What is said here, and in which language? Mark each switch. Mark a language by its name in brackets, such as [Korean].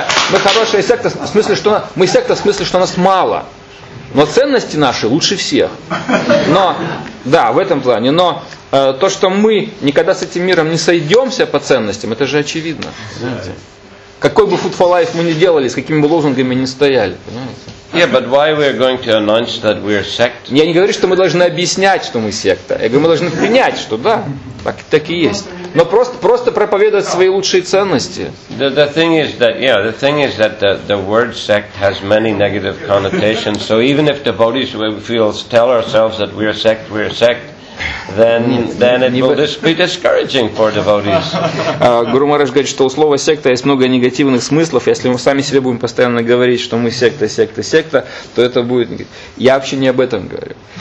[Russian] Мы хорошая секта, в смысле, что мы секта, в смысле, что нас мало. Но ценности наши лучше всех. Но, да, в этом плане. Но то, что мы никогда с этим миром не сойдемся по ценностям, это же очевидно. Знаете? Какой бы Food for Life мы ни делали, с какими бы лозунгами ни стояли, понимаете? [English] Yeah, but why we are going to announce that we are sect? [Russian] Я не говорю, что мы должны объяснять, что мы секта. Я говорю, мы должны принять, что да, так и есть. Но просто проповедовать свои лучшие ценности. [English] The thing is that, yeah, the thing is that the word sect has many negative connotations. So even if devotees feel tell ourselves that we are sect, then it will be discouraging for devotees. [Russian] Гуру Махарадж говорит, что у слова секта есть много негативных смыслов. Если мы сами себе будем постоянно говорить, что мы секта, секта, секта, то это будет... Я вообще не об этом говорю.